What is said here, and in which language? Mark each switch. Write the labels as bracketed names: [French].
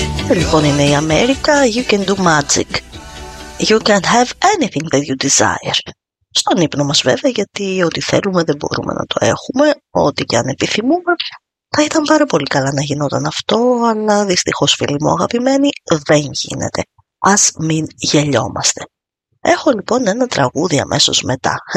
[Greek] Λοιπόν, είναι η Αμέρικα, You Can Do Magic. [English] You can have anything that you desire. [Greek] Στον ύπνο μας βέβαια, γιατί ό,τι θέλουμε δεν μπορούμε να το έχουμε, ό,τι και αν επιθυμούμε. Θα ήταν πάρα πολύ καλά να γινόταν αυτό, αλλά δυστυχώς φίλοι μου αγαπημένοι, δεν γίνεται. Ας μην γελιόμαστε. Έχω λοιπόν ένα τραγούδι αμέσως μετά.